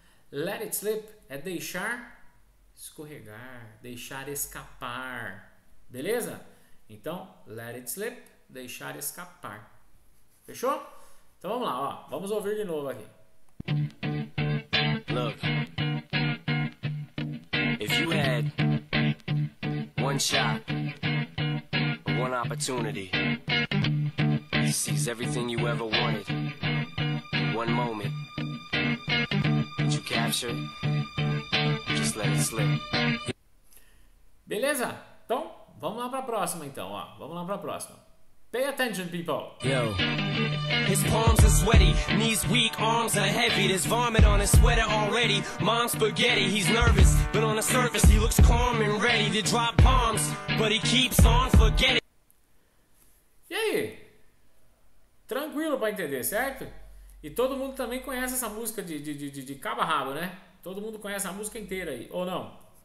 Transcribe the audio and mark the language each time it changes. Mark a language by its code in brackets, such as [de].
[en] Let it slip [pt] é deixar escorregar. Deixar escapar. Beleza? Então, [en] let it slip. [pt] Deixar escapar. Fechou? Então vamos lá, ó. Vamos ouvir de novo aqui. [en] Look, if you had one shot, one opportunity, you seize everything you ever wanted. One moment that you capture, just let it slip. [pt] Beleza? Então, vamos lá pra próxima então, ó. Vamos lá pra próxima. [en] Pay attention, people. Yo. His palms are sweaty, knees weak, arms are heavy. There's vomit on his sweater already. Mom's spaghetti, he's nervous. But on the surface, he looks calm and ready to drop bombs. But he keeps on forgetting. [pt] E aí? Tranquilo pra entender, certo? E todo mundo também conhece essa música de cabo a rabo, né? Todo mundo conhece a música inteira aí, ou não?